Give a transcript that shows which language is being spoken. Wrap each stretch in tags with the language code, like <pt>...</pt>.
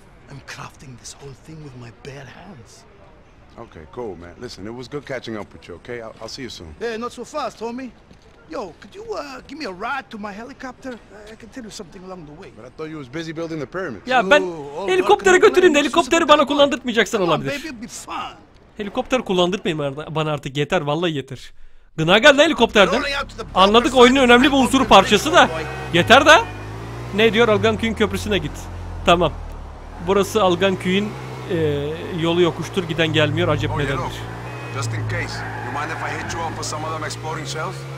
<en>I'm crafting this whole thing with my bare hands. Okay, cool, man. Listen, it was good catching up with you, okay? I'll see you soon. Hey, not so fast, homie. Yo, could you give me a ride to my helicopter? I can tell you something along the way. But I thought you was busy building the pyramids.</en> <tr>Ya ben helikoptere götüreyim de helikopteri bana kullandırtmayacaksan olabilir.</tr> <en>Baby, be fun.</en> <tr>Helikopter kullandırtmayayım bana artık, yeter vallahi yeter. Gına geldi helikopterden. Anladık, oyunun önemli bir unsuru parçası da. Yeter de. Ne diyor? Algonquin Köprüsü'ne git. Tamam. Burası Algonquin yolu yokuştur, giden gelmiyor, acep nedendir.</tr> <en>Just in case. You mind if I hit you up for some of them exploring shells?</en>